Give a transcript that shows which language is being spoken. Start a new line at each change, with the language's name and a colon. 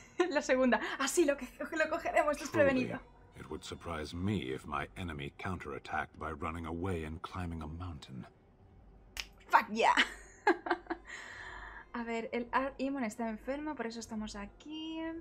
Spanish: la segunda. Así, lo cogeremos desprevenido.
English: It would surprise me if my enemy counterattacked by running away and climbing a mountain. Fuck yeah.
Spanish: A ver, el Archdemon está enfermo, por eso estamos aquí.